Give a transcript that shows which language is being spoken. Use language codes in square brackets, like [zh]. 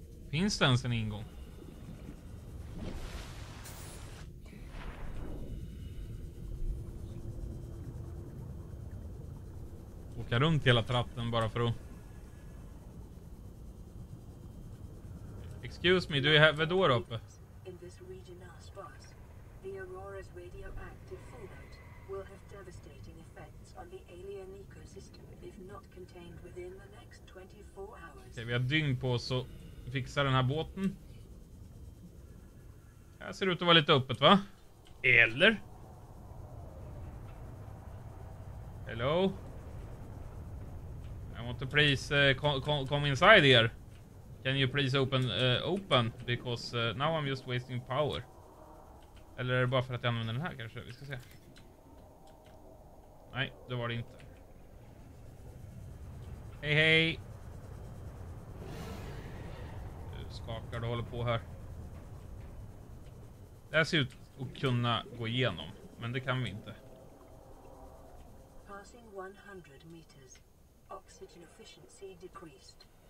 [sv] Finns det ens en ingång? Runt hela tratten bara för att... [en] Excuse me, do you have a door open? In this region now, Spars, the Aurora's radioactive fallout will have devastating effects on the alien ecosystem if not contained within the next 24 hours. [sv] Okej, vi har dygn på oss att fixa den här båten. Här ser det ut att vara lite öppet, va? Eller? [en] Hello? I want to please come inside here. Can you please open? Because now I'm just wasting power. [sv] Eller är det bara för att jag använder den här kanske? Vi ska se. Nej, det var det inte. Hej, hej! Du skakar, du håller på här. Det här ser ut att kunna gå igenom, men det kan vi inte. [en] Passing 100 meters. Oxygen efficiency decreased.